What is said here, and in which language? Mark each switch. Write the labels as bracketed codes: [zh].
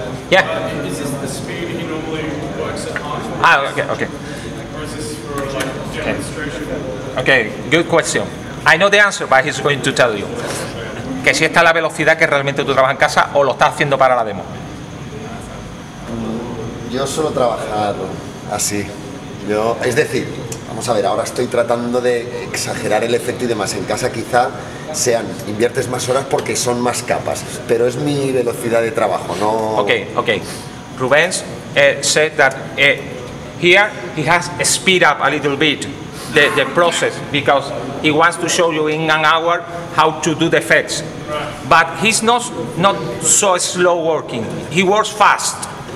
[en] Yeah. Is this the speed he normally works at? Ah, okay. Or is this for like demonstration? Okay, good question. I know the answer, but he's going to tell you. [es] Que si está la velocidad que realmente tú trabajas en casa o lo estás haciendo para la demo. Yo suelo trabajar así. Yo, es decir, vamos a ver, ahora estoy tratando de exagerar el efecto y demás. En casa quizá sean, inviertes más horas porque son más capas, pero es mi velocidad de trabajo, no... [en] Okay. Rubens said that here he has speed up a little bit the process because he wants to show you in an hour how to do the effects. But he's not so slow working. He works fast.